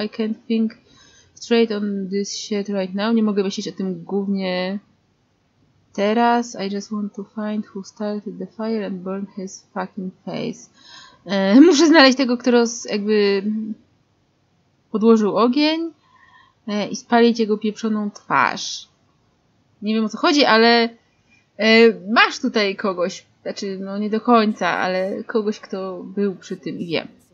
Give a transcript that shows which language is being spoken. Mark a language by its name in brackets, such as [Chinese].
[English] I can't think straight on this shit right now. [Polish] Nie mogę myśleć o tym głównie teraz. [English] I just want to find who started the fire and burned his fucking face. [Polish] Muszę znaleźć tego, kto jakby podłożył ogień i spalić jego pieprzoną twarz. Nie wiem, o co chodzi, ale... masz tutaj kogoś, znaczy no nie do końca, ale kogoś, kto był przy tym i wie.